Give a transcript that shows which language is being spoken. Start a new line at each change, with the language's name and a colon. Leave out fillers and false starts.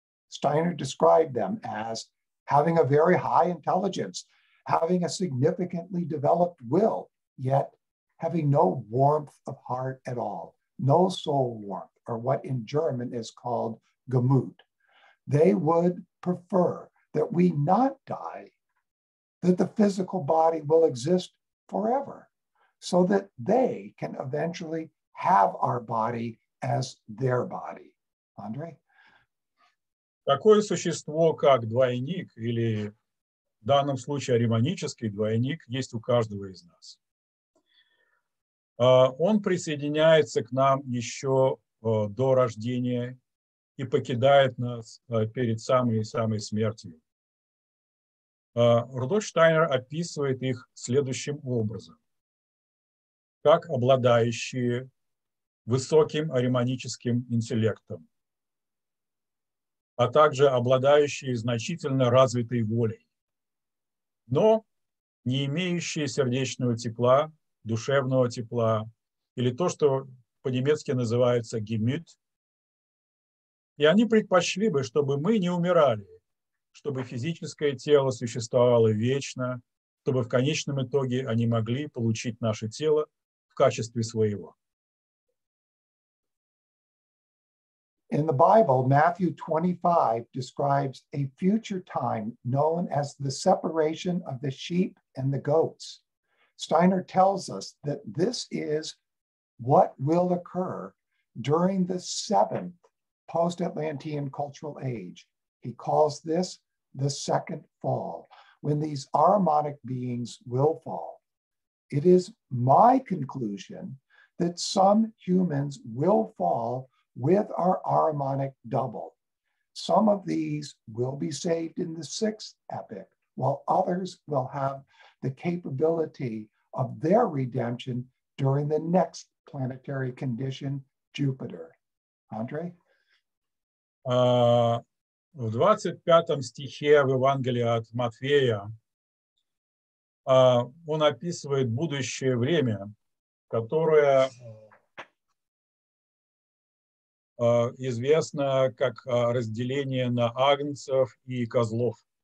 English: Steiner described them as having a very high intelligence, having a significantly developed will, yet having no warmth of heart at all, no soul warmth, or what in German is called Gemüt. They would prefer that we not die, that the physical body will exist forever, so that they can eventually have our body as their body. Andre?
Russian: Такое существо, как двойник, или в данном случае аремонический двойник, есть у каждого из нас. Он присоединяется к нам еще до рождения и покидает нас перед самой-самой смертью. Рудольф Штайнер описывает их следующим образом. Как обладающие высоким аремоническим интеллектом, а также обладающие значительно развитой волей, но не имеющие сердечного тепла, душевного тепла, или то, что по-немецки называется «гемют». И они предпочли бы, чтобы мы не умирали, чтобы физическое тело существовало вечно, чтобы в конечном итоге они могли получить наше тело в качестве своего.
English: In the Bible, Matthew 25 describes a future time known as the separation of the sheep and the goats. Steiner tells us that this is what will occur during the seventh post-Atlantean cultural age. He calls this the second fall, when these aramonic beings will fall. It is my conclusion that some humans will fall with our aramonic double. Some of these will be saved in the sixth epoch, while others will have the capability of their redemption during the next planetary condition, Jupiter. Andre?
Russian: В 25 стихе в Евангелии от Матфея он описывает будущее время, которое известно как разделение на агнцев и козлов.